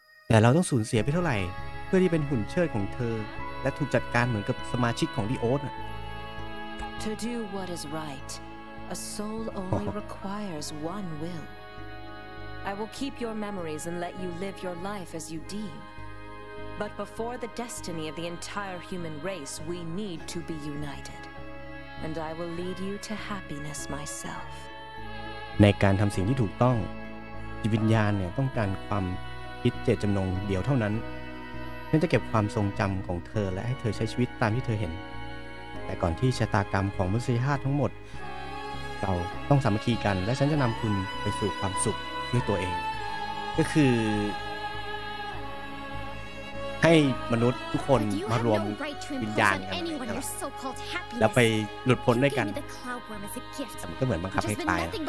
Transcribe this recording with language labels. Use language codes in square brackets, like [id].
[th] ต่เราต้องสูญเสียไปเท่าไหร่เพื่อที่เป็นหุ่นเชิดของเธอและถูกจัดการเหมือนกับสมาชิกของดีโอส [en] To do what is right, a soul only requires one willI will keep your memories and let you live your life as you deem. But before the destiny of the entire human race, we need to be united. And I will lead you to happiness myself. [th] ในการทำสิ่งที่ถูกต้องจิตวิญญาณเนี่ยต้องการความคิดเจตจำนงเดียวเท่านั้นฉันจะเก็บความทรงจำของเธอและให้เธอใช้ชีวิตตามที่เธอเห็นแต่ก่อนที่ชะตากรรมของมนุษยชาติทั้งหมดเราต้องสามัคคีกันและฉันจะนำคุณไปสู่ความสุขด้วยตัวเองก็คือให้มนุษย์ทุกคนมารวมวิญญาณกันแล้วไปหลุดพ้นด้วยกันมันก็เหมือนบังคับให้ตาย